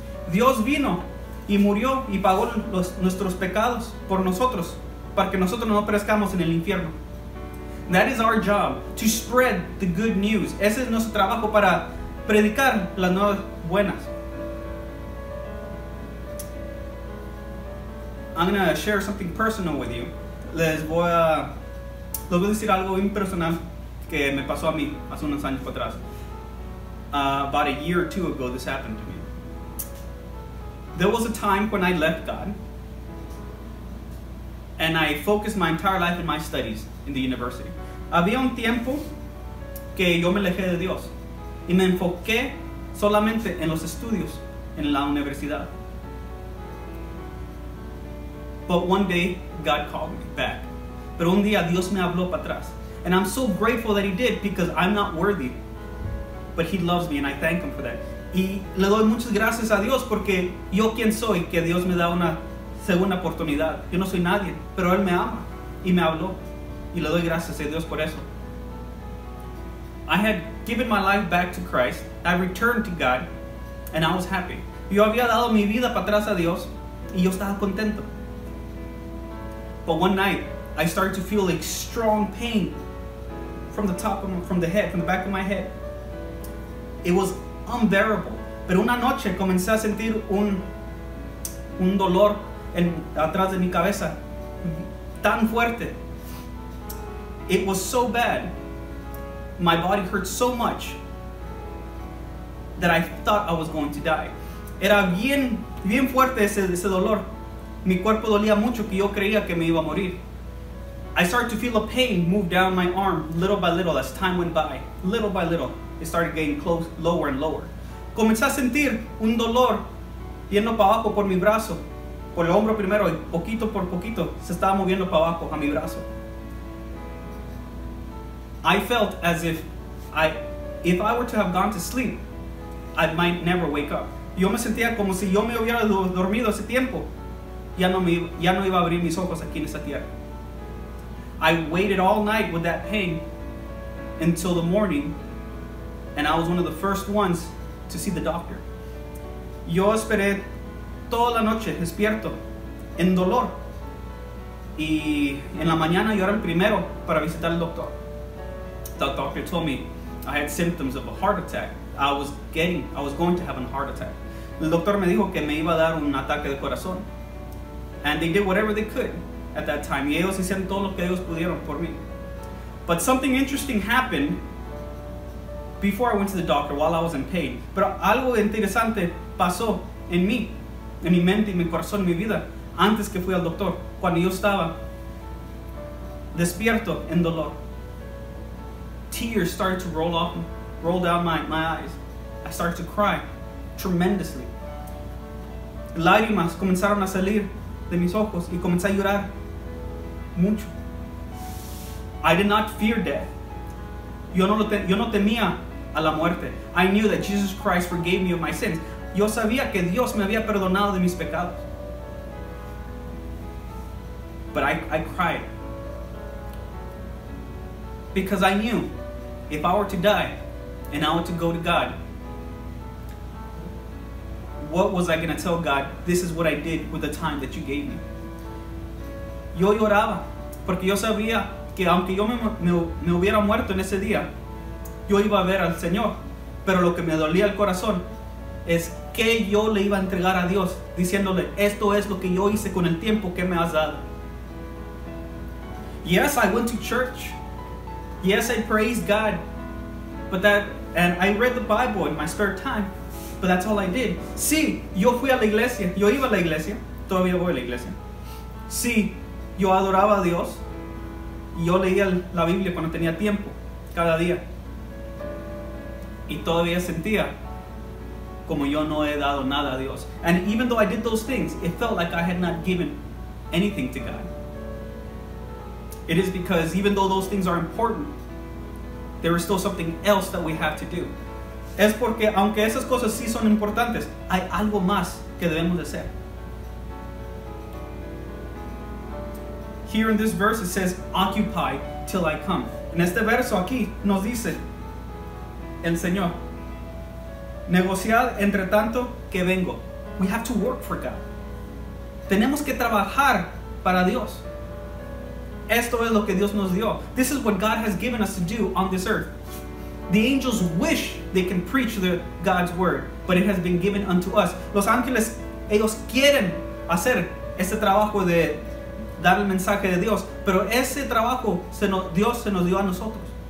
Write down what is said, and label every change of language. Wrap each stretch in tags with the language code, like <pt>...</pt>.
<es>Dios vino y murió y pagó nuestros pecados por nosotros para que nosotros no perezcamos en el infierno.</es> <en>That is our job, to spread the good news.</en> <es>Ese es nuestro trabajo para predicar las nuevas buenas.</es> <en>I'm going to share something personal with you.</en> <es>Les voy a decir algo impersonal que me pasó a mí hace unos años atrás.</es> <en>About a year or two ago, this happened to me. There was a time when I left God, and I focused my entire life in my studies in the university.</en> <es>Había un tiempo que yo me alejé de Dios, y me enfoqué solamente en los estudios en la universidad.</es> <en>But one day, God called me back.</en> <es>Pero un día, Dios me habló para atrás.</es> <en>And I'm so grateful that He did, because I'm not worthy. But He loves me, and I thank Him for that.</en> <es>Y le doy muchas gracias a Dios, porque yo quien soy, que Dios me da una segunda oportunidad. Yo no soy nadie, pero Él me ama, y me habló. Y le doy gracias a Dios por eso.</es> <en>I had given my life back to Christ. I returned to God, and I was happy.</en> <es>Yo había dado mi vida para atrás a Dios, y yo estaba contento.</es> <en>But one night, I started to feel a strong pain from the top of from the back of my head. It was unbearable.</en> <es>Pero una noche comencé a sentir un dolor en atrás de mi cabeza tan fuerte.</es> <en>It was so bad. My body hurt so much that I thought I was going to die.</en> <es>Era bien bien fuerte ese dolor. Mi cuerpo dolía mucho que yo creía que me iba a morir.</es> <en>I started to feel a pain move down my arm little by little as time went by. Little by little, it started getting close, lower and lower.</en> <es>Comencé a sentir un dolor yendo para abajo por mi brazo, por el hombro primero, y poquito por poquito se estaba moviendo para abajo a mi brazo.</es> <en>I felt as if I were to have gone to sleep, I might never wake up.</en> <es>Yo me sentía como si yo me hubiera dormido ese tiempo. Ya no iba a abrir mis ojos aquí en esta tierra.</es> <en>I waited all night with that pain until the morning, and I was one of the first ones to see the doctor.</en> <es>Yo esperé toda la noche despierto en dolor, y en la mañana yo era el primero para visitar el doctor.</es> <en>The doctor told me I had symptoms of a heart attack. I was going to have a heart attack.</en> <es>El doctor me dijo que me iba a dar un ataque de corazón.</es> <en>And they did whatever they could at that time.</en> <es>Y ellos hicieron todo lo que ellos pudieron por mí.</es> <en>But something interesting happened before I went to the doctor while I was in pain.</en> <es>Pero algo interesante pasó en mí, en mi mente, en mi corazón, en mi vida, antes que fui al doctor, cuando yo estaba despierto en dolor.</es> <en>Tears started to roll down my eyes. I started to cry tremendously.</en> <es>Lágrimas comenzaron a salir de mis ojos y comencé a llorar mucho.</es> <en>I did not fear death.</en> <es>Yo no temía a la muerte.</es> <en>I knew that Jesus Christ forgave me of my sins.</en> <es>Yo sabía que Dios me había perdonado de mis pecados.</es> <en>But I cried. Because I knew if I were to die and I were to go to God, what was I going to tell God? This is what I did with the time that you gave me.</en> <es>Yo lloraba porque yo sabía que aunque yo me hubiera muerto en ese día, yo iba a ver al Señor. Pero lo que me dolía el corazón es que yo le iba a entregar a Dios diciéndole, esto es lo que yo hice con el tiempo que me has dado.</es> <en>Yes, I went to church. Yes, I praised God. And I read the Bible in my spare time. But that's all I did.</en> <es>Sí, yo fui a la iglesia. Yo iba a la iglesia. Todavía voy a la iglesia. Sí, yo adoraba a Dios. Yo leía la Biblia cuando tenía tiempo. Cada día. Y todavía sentía como yo no he dado nada a Dios.</es> <en>And even though I did those things, it felt like I had not given anything to God. It is because even though those things are important, there is still something else that we have to do.</en> <es>Es porque aunque esas cosas sí son importantes, hay algo más que debemos de hacer.</es> <en>Here in this verse it says, occupy till I come.</en> <es>En este verso aquí nos dice el Señor, negociad entre tanto que vengo.</es> <en>We have to work for God.</en> <es>Tenemos que trabajar para Dios. Esto es lo que Dios nos dio.</es> <en>This is what God has given us to do on this earth. The angels wish they can preach God's word, but it has been given unto us.</en> <es>Los ángeles, ellos quieren hacer ese trabajo de dar el mensaje de Dios, pero ese trabajo Dios se nos dio a nosotros.</es>